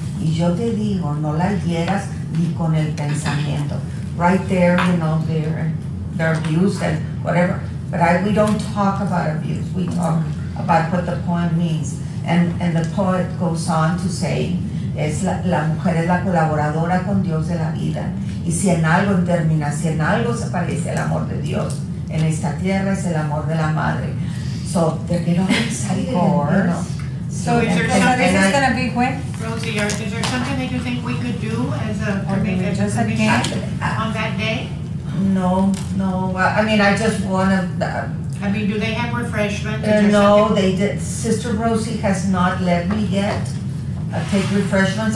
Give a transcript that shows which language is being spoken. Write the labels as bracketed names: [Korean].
[Spanish] Y yo te digo, no la hieras ni con el pensamiento. [English] Right there, you know, they're abused and whatever. But we don't talk about abuse. We talk about what the poem means. And the poet goes on to say, [Spanish] es la mujer es la colaboradora con Dios de la vida. Y si en algo termina, si en algo se parece el amor de Dios, en esta tierra es el amor de la madre. [English] So, they're getting all excited, you know. So is there something that's gonna be when? Rosie, is there something that you think we could do as a committee on that day? No. Well, I mean, I just wanna. Do they have refreshments? No, they did. Sister Rosie has not let me yet take refreshments.